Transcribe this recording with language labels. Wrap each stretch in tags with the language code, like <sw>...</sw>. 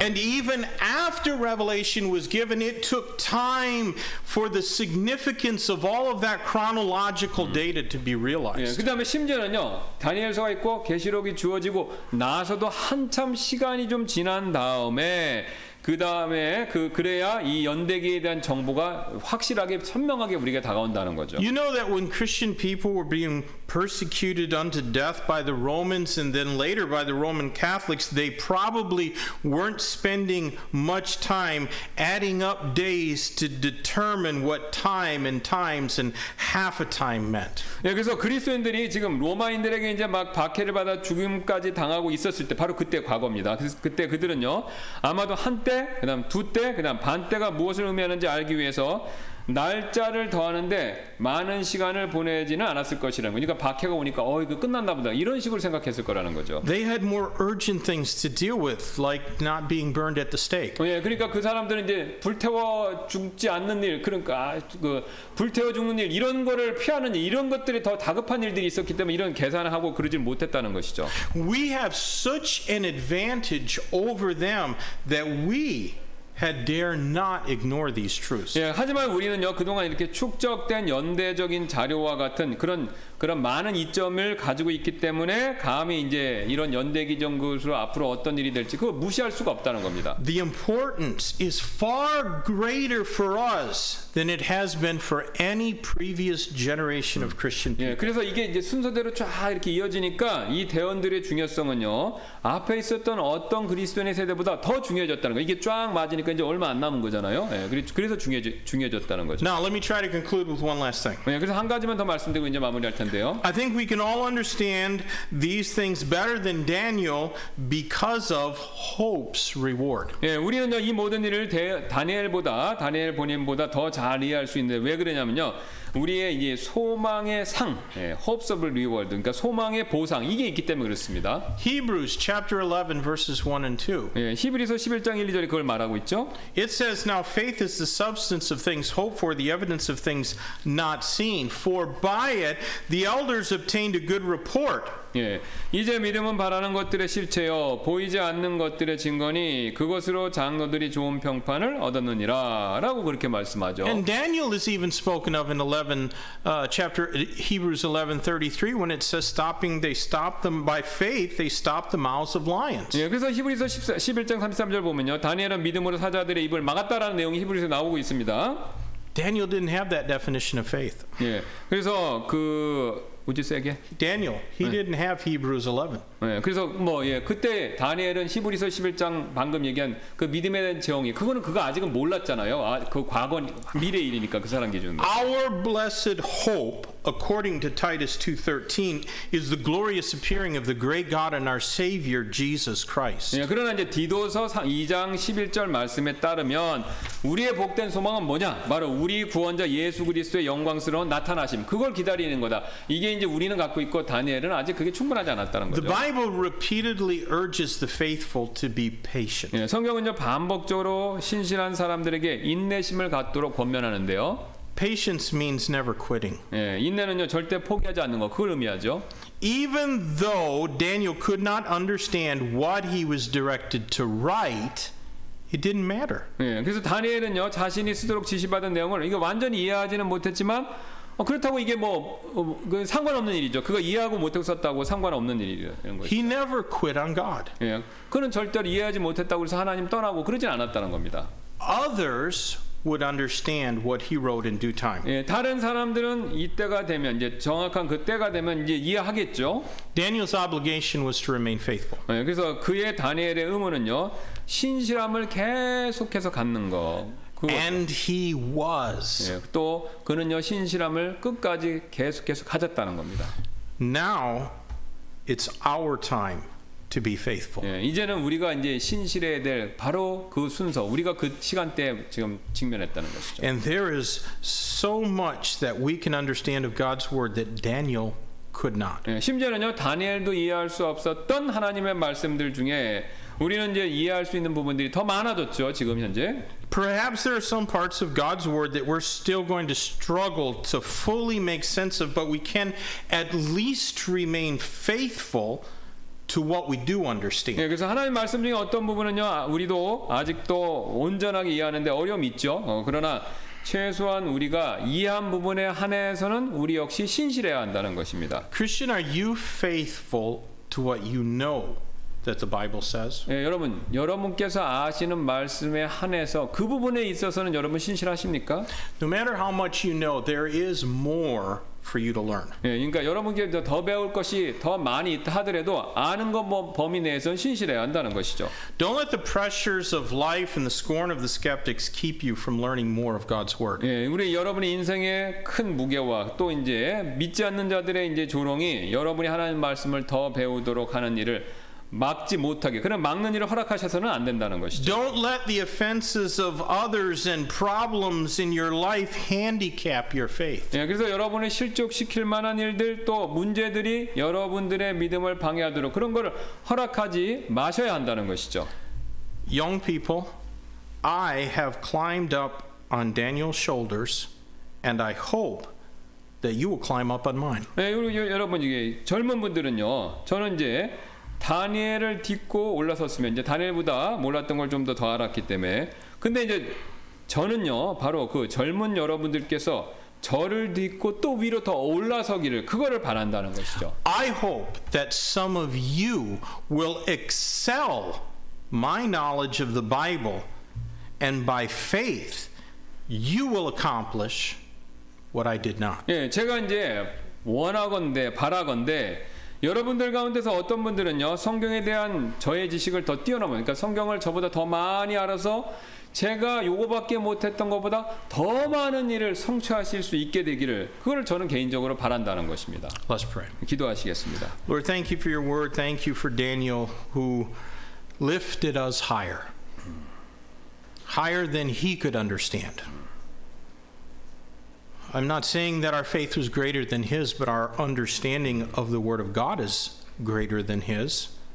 <en>And even after Revelation was given, it took time for the significance of all of that chronological data to be realized.</en> <ko>예, 그다음에 심지어는요 다니엘서가 있고 계시록이 주어지고 나서도 한참 시간이 좀 지난 다음에. 그다음에 그래야 이 연대기에 대한 정보가 확실하게 선명하게 우리가 다가온다는 거죠.</ko> <en>You know that when Christian people were being persecuted unto death by the Romans and then later by the Roman Catholics, they probably weren't spending much time adding up days to determine what time and times and half a time meant.</en> <ko>예, 그래서 그리스도인들이 지금 로마인들에게 이제 막 박해를 받아 죽임까지 당하고 있었을 때 바로 그때 과거입니다. 그래서 그때 그들은요. 아마도 한때 그다음 두때 그다음 반때가 무엇을 의미하는지 알기 위해서 날짜를 더하는데 많은 시간을 보내지는 않았을 것이라는 거니까 그러니까 박해가 오니까 이거 끝났나 보다 이런 식으로 생각했을 거라는 거죠.</ko> <en>They had more urgent things to deal with, like not being burned at the stake.</en> <ko>예, 그러니까 그 사람들은 이제 불태워 죽지 않는 일, 그러니까 그 불태워 죽는 일 이런 거를 피하는 일, 이런 것들이 더 다급한 일들이 있었기 때문에 이런 계산을 하고 그러질 못했다는 것이죠.</ko> <en>We have such an advantage over them that we had dare not ignore these truths.</en> <ko>예, 하지만 우리는요 그동안 이렇게 축적된 연대적인 자료와 같은 그런 많은 이점을 가지고 있기 때문에 감히 이제 이런 연대기 정글로 앞으로 어떤 일이 될지 그 무시할 수가 없다는 겁니다.</ko> <en>The importance is far greater for us than it has been for any previous generation of Christian people.</en> <ko>예, 그래서 이게 이제 순서대로 쫙 이렇게 이어지니까 이 대언들의 중요성은요 앞에 있었던 어떤 그리스도인의 세대보다 더 중요해졌다는 거. 이게 쫙 맞으니까. 그러니까 이제 얼마 안 남은 거잖아요. 예, 그래서 중요해졌다는 거죠.</ko> <en>Now let me try to conclude with one last thing.</en> <ko>예, 그래서 한 가지만 더 말씀드리고 이제 마무리할 텐데요.</ko> <en>I think we can all understand these things better than Daniel because of hope's reward.</en> <ko>예, 우리는 이 모든 일을 다니엘 본인보다 더 잘 이해할 수 있는데 왜 그러냐면요. 우리의 이제 소망의 상, 예,</ko> <en>hopes of reward,</en> <ko>그러니까 소망의 보상 이게 있기 때문에 그렇습니다.</ko> <en>Hebrews chapter 11 verses 1 and 2.</en> <ko>예, 히브리서 11장 1, 2절에 그걸 말하고 있죠.</ko> <en>It says, "Now faith is the substance of things hoped for, the evidence of things not seen. For by it the elders obtained a good report."</en> <ko>예, 이제 믿음은 바라는 것들의 실체요, 보이지 않는 것들의 증거니 그것으로 장로들이 좋은 평판을 얻었느니라라고 그렇게 말씀하죠.</ko> <en>And Daniel is even spoken of in 11 chapter Hebrews 11:33 when it says, "Stopping, they stopped them by faith. They stopped the mouths of lions."</en> <ko>예, 그래서 히브리서 11장 33절 보면요, 다니엘은 믿음으로 사자들의 입을 막았다라는 내용이 히브리서 나오고 있습니다.</ko> <en>Daniel didn't have that definition of faith.</en> <ko>예, 그래서 그</ko> <en>Would you say again? Daniel, he</en> <ko>네.</ko> <en>didn't have Hebrews 11.</en> <ko>네, 그래서 뭐 예, 그때 다니엘은 히브리서 11장 방금 얘기한 그 믿음에 대한 제형이 그거는 그가 아직은 몰랐잖아요. 아, 그 과거 미래 일이니까 그 사람 기준.</ko> <en>Our blessed hope, according to Titus 2:13, is the glorious appearing of the great God and our Savior Jesus Christ.</en> <ko>예, 그러나 이제 디도서 2장 11절 말씀에 따르면 우리의 복된 소망은 뭐냐? 바로 우리 구원자 예수 그리스도의 영광스러운 나타나심. 그걸 기다리는 거다. 이게 이제 우리는 갖고 있고 다니엘은 아직 그게 충분하지 않았다는 거죠.</ko> <en>The Bible repeatedly urges the faithful to be patient.</en> <ko>예, 성경은요 반복적으로 신실한 사람들에게 인내심을 갖도록 권면하는데요.</ko> <en>Patience means never quitting.</en> <ko>예, 인내는요 절대 포기하지 않는 거 그걸 의미하죠.</ko> <en>Even though Daniel could not understand what he was directed to write, it didn't matter.</en> <ko>예, 그래서 다니엘은요 자신이 쓰도록 지시받은 내용을 이거 완전히 이해하지는 못했지만 그렇다고 이게 뭐 상관없는 일이죠. 그거 이해하고 못하고 썼다고 상관없는 일이라는 거죠.</ko> <en>He never quit on God.</en> <ko>예, 그는 절대로 이해하지 못했다고 해서 하나님 떠나고 그러진 않았다는 겁니다.</ko> <en>Others would understand what he wrote in due time.</en> <ko>예, 다른 사람들은 이때가 되면 이제 정확한 그때가 되면 이제 이해하겠죠.</ko> <en>Daniel's obligation was to remain faithful.</en> <ko>예, 그래서 그의 다니엘의 의무는요 신실함을 계속해서 갖는 거.</ko> <en>And he was.</en> <ko>예, 또 그는요 신실함을 끝까지 계속 가졌다는 겁니다.</ko> <en>Now it's our time to be faithful.</en> <ko>예, 이제는 우리가 이제 신실해야 될 바로 그 순서, 우리가 그 시간대에 지금 직면했다는 것이죠.</ko> <en>And there is so much that we can understand of God's word that Daniel could not.</en> <ko>예, 심지어는요 다니엘도 이해할 수 없었던 하나님의 말씀들 중에 우리는 이제 이해할 수 있는 부분들이 더 많아졌죠, 지금 현재.</ko> <en>Perhaps there are some parts of God's word that we're still going to struggle to fully make sense of, but we can at least remain faithful to what we do understand.</en> <ko>예, 그래서 하나님 말씀 중에 어떤 부분은요, 우리도 아직도 온전하게 이해하는데 어려움이 있죠. 그러나 최소한 우리가 이해한 부분에 한해서는 우리 역시 신실해야 한다는 것입니다.</ko> <en>Christian, are you faithful to what you know? That the Bible says.</en> <ko>예, 여러분, 여러분께서 아시는 말씀에 한해서 그 부분에 있어서는 여러분 신실하십니까?</ko> <en>No matter how much you know, there is more for you to learn.</en> <ko>예, 그러니까 여러분께서 더 배울 것이 더 많이 있다 하더라도 아는 것 뭐 범위 내에서 신실해야 한다는 것이죠.</ko> <en>Don't let the pressures of life and the scorn of the skeptics keep you from learning more of God's word.</en> <ko>예, 우리 여러분의 인생의 큰 무게와 또 이제 믿지 않는 자들의 이제 조롱이 여러분이 하나님 말씀을 더 배우도록 하는 일을 막지 못하게 그런 막는 일을 허락하셔서는 안 된다는 것이죠.</ko> <en>Don't let the offenses of others and problems in your life handicap your faith.</en> <ko>예, 그래서 여러분을 실족시킬 만한 일들 또 문제들이 여러분들의 믿음을 방해하도록 그런 것을 허락하지 마셔야 한다는 것이죠.</ko> <en>Young people, I have climbed up on Daniel's shoulders, and I hope that you will climb up on mine.</en> <ko>예, 여러분 이게 젊은 분들은요. 저는 이제 다니엘을 딛고 올라섰으면 이제 다니엘보다 몰랐던 걸 좀 더 알았기 때문에 근데 이제 저는요 바로 그 젊은 여러분들께서 저를 딛고 또 위로 더 올라서기를 그거를 바란다는 것이죠.</ko> <en>I hope that some of you will excel my knowledge of the Bible and by faith you will accomplish what I did not.</en> <ko>예, 제가 이제 원하건대 바라건대 여러분들 가운데서 어떤 분들은요 성경에 대한 저의 지식을 더 뛰어넘어 그러니까 성경을 저보다 더 많이 알아서 제가 요거밖에 못했던 것보다 더 많은 일을 성취하실 수 있게 되기를 그걸 저는 개인적으로 바란다는 것입니다.</ko> <en>Let's pray.</en> <ko>기도하시겠습니다.</ko> <en>Lord, thank you for your word. Thank you for Daniel who lifted us higher. Higher than he could understand. I'm not saying that our faith was greater than his, but our understanding of the word of God is greater than his.</en>